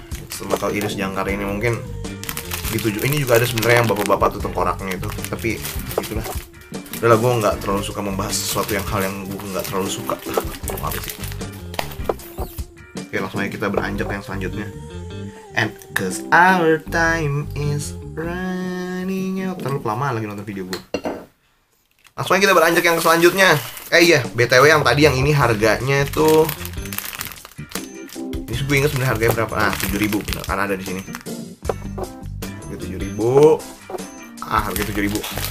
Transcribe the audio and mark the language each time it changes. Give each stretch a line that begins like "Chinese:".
Indonesian: Sama kalau iris jangkar ini mungkin dituju. Ini juga ada sebenarnya yang bapak-bapak tuh tengkoraknya itu. Tapi itulah. Udah lah, gue gak terlalu suka membahas sesuatu yang hal yang gue gak terlalu suka. Apa sih? Oke, langsung aja kita beranjak yang selanjutnya.
English: And cause our time is running out.
Indonesian: Terlalu lama lagi nonton video gue. Langsung aja kita beranjak yang selanjutnya. Iya, BTW yang tadi yang ini harganya itu, ini gue inget sebenernya harganya berapa. Nah, 7.000, karena ada di sini. Harga 7.000. Ah, harga 7.000.